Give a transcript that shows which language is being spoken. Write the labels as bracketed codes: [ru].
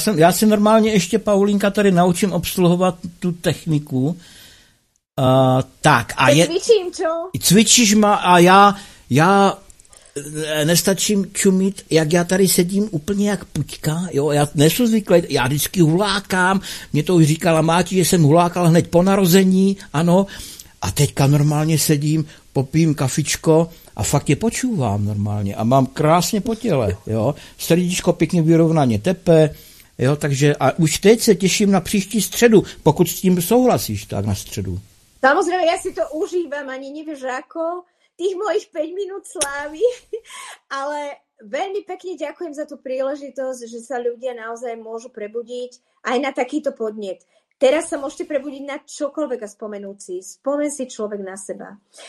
[sk] Ja si normálne ešte, Paulinka, tady naučím obsluhovať tú techniku. Cvičím, čo? [cs] Cvičíš ma a ja nestačím čumit, jak ja tady sedím úplne jak puťka. Jo, ja nesu zvyklý, ja vždycky hulákám. Mne to už říkala Máti, že som hulákal hneď po narození. Áno. A teďka normálně sedím, popijím kafičko [sk] a fakt je počúvam normálne a mám krásne po tele, jo. [cs] Srdíčko pěkně vyrovnaně tepe, jo, takže a už teď se těším na příští středu, pokud s tím souhlasíš, tak na středu. [sk] Samozrejme, ja si to užívam, ani nevieš ako, tých mojich 5 minút slávy, ale veľmi pekne ďakujem za tú príležitosť, že sa ľudia naozaj môžu prebudiť aj na takýto podnet. Teraz sa môžete prebudiť na čokoľvek a spomenúť si. Spomen si človek na seba.